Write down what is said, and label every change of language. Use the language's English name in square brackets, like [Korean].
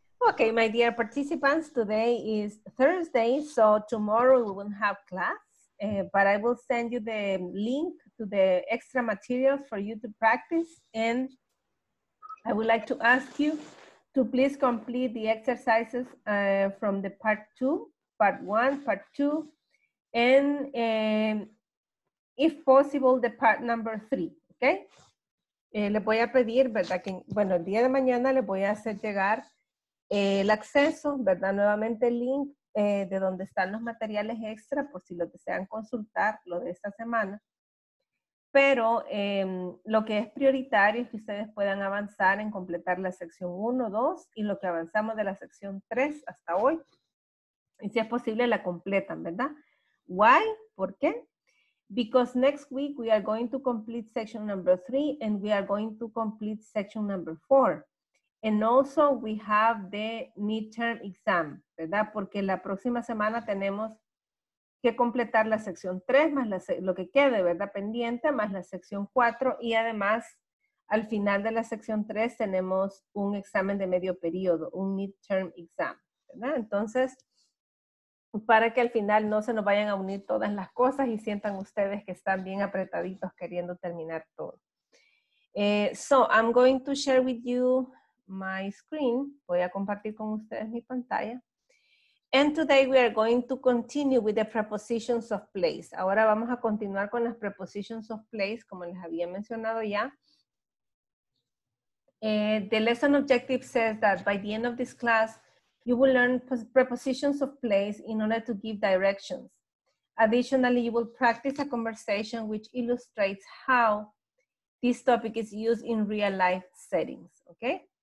[English] Okay, my dear participants, today is Thursday, so tomorrow we won't have class, but I will send you the link to the extra materials for you to practice, and I would like to ask you to please complete the exercises from the part two. Part one, part two, and if possible, the part number three, okay? [Spanish] Le voy a pedir, ¿verdad? Que, bueno, el día de mañana le voy a hacer llegar el acceso, ¿verdad? Nuevamente el link de donde están los materiales extra, por si lo desean consultar, lo de esta semana. Pero lo que es prioritario es que ustedes puedan avanzar en completar la sección 1, 2, y lo que avanzamos de la sección 3 hasta hoy. Y si es posible, la completan, ¿verdad? [English] Why? [Spanish] ¿Por qué? [English] Because next week we are going to complete section number 3 and we are going to complete section number 4. And also we have the midterm exam, [Spanish] ¿verdad? Porque la próxima semana tenemos que completar la sección 3 más lo que quede, ¿verdad? Pendiente más la sección 4. Y además, al final de la sección 3 tenemos un examen de medio periodo, un midterm exam, ¿verdad? Entonces, para que al final no se nos vayan a unir todas las cosas y sientan ustedes que están bien apretaditos queriendo terminar todo. [English] So, I'm going to share with you my screen. [Spanish] Voy a compartir con ustedes mi pantalla. [English] And today we are going to continue with the prepositions of place. [Spanish] Ahora vamos a continuar con las [English] prepositions of place, [Spanish] como les había mencionado ya. [English] The lesson objective says that by the end of this class, you will learn prepositions of place in order to give directions. Additionally, you will practice a conversation which illustrates how this topic is used in real life settings, okay?